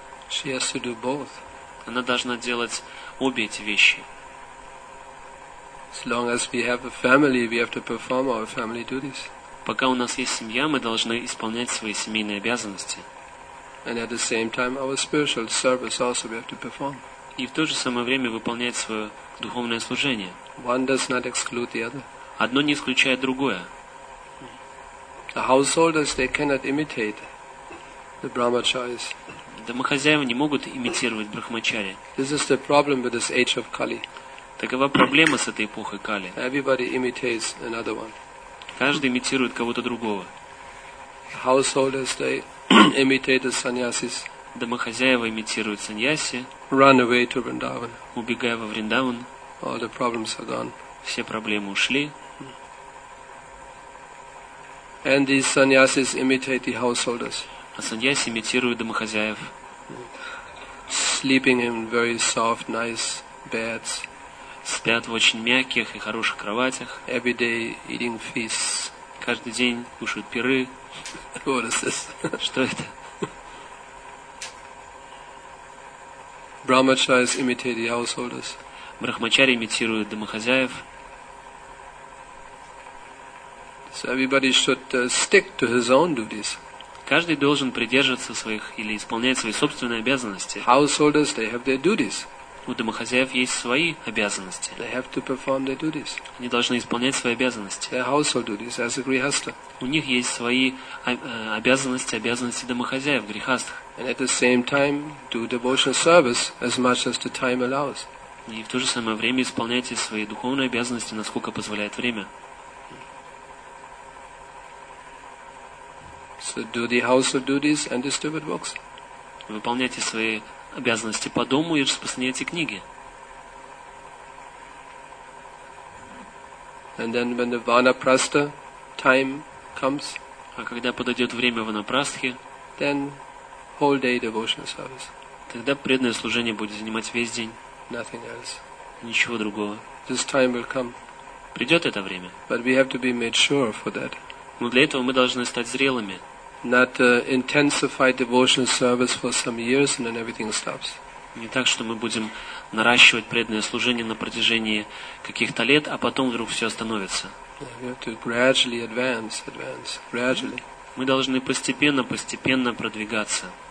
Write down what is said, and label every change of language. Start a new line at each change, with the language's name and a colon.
English: She has to do both.
Russian: Она должна делать обе эти вещи.
English: As long as we have a family, we have to perform our family duties.
Russian: Пока у нас есть семья, мы должны исполнять свои семейные обязанности.
English: And at the same time, our spiritual service also we have to perform.
Russian: И в то же самое время выполнять свое духовное служение.
English: One does not exclude the other.
Russian: Одно не исключает другое.
English: The householders, they cannot imitate the brahmacharis.
Russian: Домохозяева не могут имитировать брахмачари.
English: This is the problem with this age of Kali.
Russian: Такова проблема с этой эпохой Кали.
English: Everybody imitates another one.
Russian: Каждый имитирует кого-то другого.
English: Householders, they imitate the sannyasis.
Russian: Домохозяева имитируют саньяси.
English: Run away to Vrindavan.
Russian: Убегая во Вриндаван.
English: All the problems are gone.
Russian: Все проблемы ушли.
English: And these sannyasis imitate the householders.
Russian: А саньяси имитируют домохозяев.
English: Sleeping in very soft, nice beds.
Russian: Спят в очень мягких и хороших кроватях.
English: Every day eating feasts.
Russian: Каждый день кушают пиры.
English: What is this?
Russian: Что это?
English: Brahmacharis imitate the householders.
Russian: Брахмачари имитируют домохозяев.
English: So everybody should stick to his own duties.
Russian: Каждый должен придерживаться своих или исполнять свои собственные обязанности.
English: Householders, they have their duties.
Russian: У домохозяев есть свои обязанности.
English: They have to perform their duties.
Russian: Они должны исполнять свои обязанности.
English: Their household duties as a grihastha.
Russian: У них есть свои обязанности, обязанности домохозяев, грихастх.
English: And at the same time, do devotional service as much as the time allows.
Russian: И в то же самое время исполняйте свои духовные обязанности, насколько позволяет время.
English: So do the household duties and distribute books.
Russian: Выполняйте свои обязанности по дому и распространяйте книги.
English: And then when the vanaprastha time comes,
Russian: а когда подойдет время ванапрастхи,
English: then whole day devotional service.
Russian: Тогда преданное служение будет занимать весь день.
English: Nothing else.
Russian: Ничего другого.
English: This time will come.
Russian: Придет это время.
English: But we have to be made sure for that.
Russian: Но для этого мы должны стать зрелыми.
English: Not intensified devotional service for some years and then everything stops.
Russian: Не так, что мы будем наращивать преданное служение на протяжении каких-то лет, а потом вдруг все остановится.
English: We have to gradually advance, gradually.
Russian: Мы должны постепенно продвигаться.